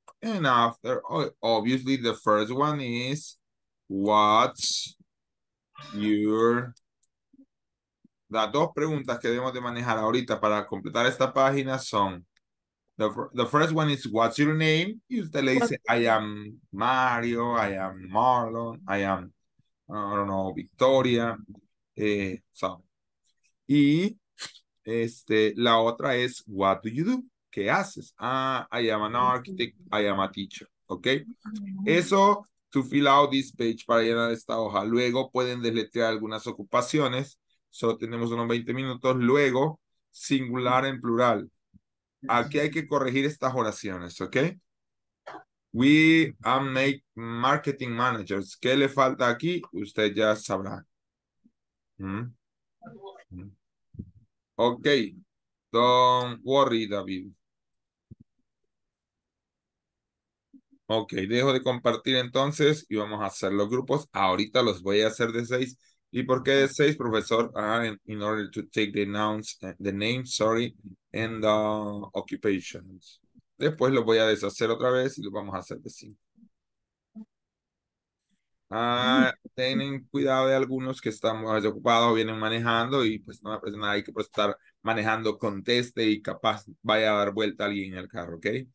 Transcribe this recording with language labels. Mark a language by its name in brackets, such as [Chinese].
[English] And after, obviously, the first one is what's your. [Spanish] Las dos preguntas que debemos de manejar ahorita para completar esta página son. [English] The first one is, what's your name? [Spanish] Y usted le dice, [English] I am Mario, I am Marlon, I am, Victoria. [Spanish] Y la otra es, [English] what do you do? [Spanish] ¿Qué haces? [English] Ah, I am an architect, I am a teacher. Okay. Eso, to fill out this page [Spanish] para llenar esta hoja. Luego pueden deletrear algunas ocupaciones. Solo tenemos unos 20 minutos. Luego, singular en plural. Aquí hay que corregir estas oraciones, ¿ok? [English] We are make marketing managers. [Spanish] ¿Qué le falta aquí? Usted ya sabrá. [English] Ok. Don't worry, David. [Spanish] Ok, dejo de compartir entonces y vamos a hacer los grupos. Ahorita los voy a hacer de seis. ¿Y por qué de seis, profesor? [English] In order to take the nouns, the names, sorry, and the occupations. [Spanish] Después los voy a deshacer otra vez y los vamos a hacer de cinco. Tienen cuidado de algunos que están más ocupados, vienen manejando y pues no me parece nada, hay que estar manejando, conteste y capaz vaya a dar vuelta alguien en el carro, ¿ok?